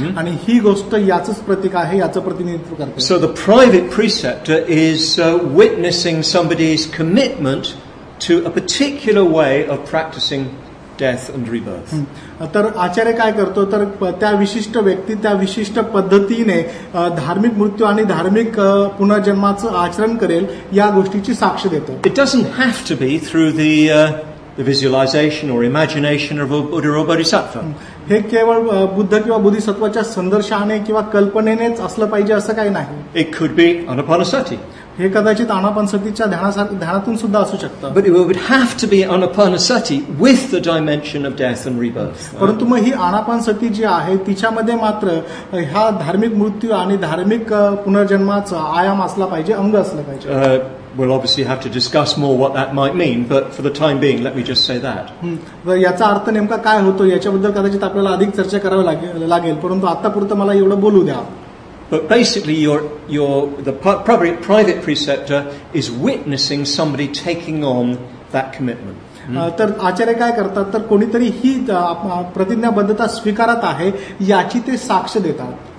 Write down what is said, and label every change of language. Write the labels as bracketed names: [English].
[Marathi] आणि ही गोष्ट याचंच प्रतीक आहे, याचं प्रतिनिधित्व करते. [English] So the private preceptor is witnessing somebody's commitment to a particular way of practicing death and rebirth. [Marathi] तर आचार्य काय करतो तर त्या विशिष्ट व्यक्ती त्या विशिष्ट पद्धतीने धार्मिक मृत्यू आणि धार्मिक पुनर्जन्माचं आचरण करेल या गोष्टीची साक्ष देतो. [English] It doesn't have to be through the visualisation or imagination of a Buddha or Bodhisattva. [Marathi] हे केवळ बुद्ध किंवा बोधिसत्वाच्या संदर्शाने किंवा कल्पनेनेच असलं पाहिजे असं काही नाही. [English] It could be Anapanasati. [Marathi] हे कदाचित अनापानसतीच्या ध्यानातून सुद्धा असू शकतं. [English] But it would have to be anapanasati with the dimension of death and rebirth. [Marathi] परंतु मग ही अनापानसती जी आहे तिच्यामध्ये मात्र ह्या धार्मिक मृत्यू आणि धार्मिक पुनर्जन्माचा आयाम असला पाहिजे, अंग असलं पाहिजे. [English] We'll obviously have to discuss more what that might mean, but for the time being, let me just say that. [Marathi] याचा अर्थ नेमका काय होतो याच्याबद्दल कदाचित आपल्याला अधिक चर्चा करावी लागेल, परंतु आतापुरतं मला एवढं बोलू द्या. [English] But basically, the private preceptor is witnessing somebody taking on that commitment. [Marathi] तर आचार्य काय करतात, तर कोणीतरी ही प्रतिज्ञाबद्धता स्वीकारत आहे याची ते साक्ष देतात.